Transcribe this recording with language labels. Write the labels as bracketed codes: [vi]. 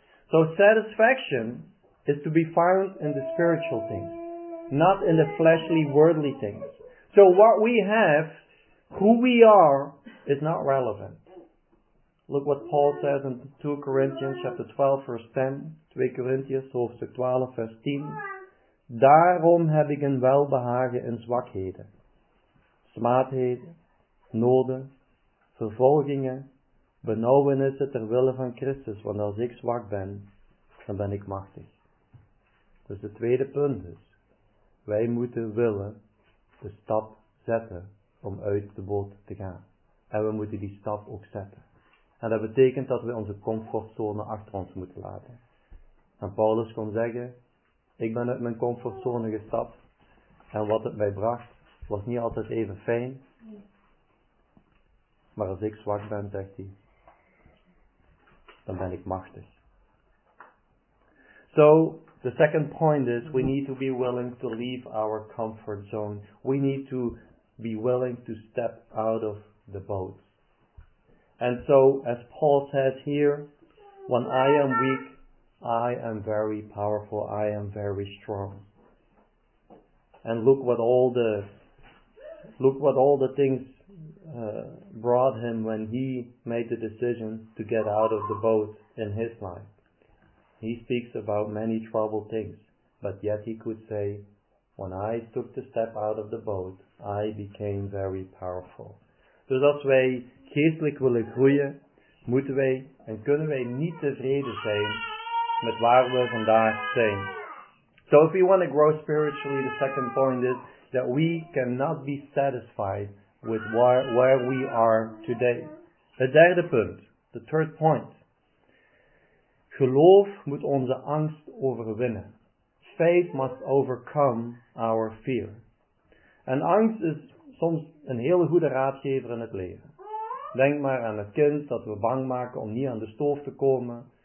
[en] So satisfaction is to be found in the spiritual things, not in the fleshly, worldly things. So what we have Who we are is not relevant. Look what Paul says in 2 Corinthians chapter 12, verse 10. [nl] 2 Corinthians hoofdstuk 12, vers 10. Daarom heb ik een welbehagen in zwakheden, smaadheden, noden, vervolgingen, benauwenissen ter wille van Christus. Want als ik zwak ben, dan ben ik machtig. Dus het tweede punt is, wij moeten willen de stap zetten om uit de boot te gaan. En we moeten die stap ook zetten. En dat betekent dat we onze comfortzone achter ons moeten laten. En Paulus kon zeggen, ik ben uit mijn comfortzone gestapt. En wat het mij bracht, was niet altijd even fijn. Maar als ik zwak ben, zegt hij, dan ben ik machtig. [en] So, the second point is, we need to be willing to leave our comfort zone. We need to be willing to step out of the boat. And so, as Paul says here, when I am weak, I am very powerful, I am very strong. And look what all the things brought him when he made the decision to get out of the boat in his life. He speaks about many troubled things, but yet he could say, when I took the step out of the boat, I became very powerful. [nl] Dus als wij geestelijk willen groeien, moeten wij en kunnen wij niet tevreden zijn met waar we vandaag zijn. [en] So if we want to grow spiritually, the second point is that we cannot be satisfied with where we are today. [nl] Het derde punt, [en] the third point. [nl] Geloof moet onze angst overwinnen. [en] Faith must overcome our fear. [nl] En angst is soms een hele goede raadgever in het leven. Denk maar aan het kind dat we bang maken om niet aan de stoof te komen.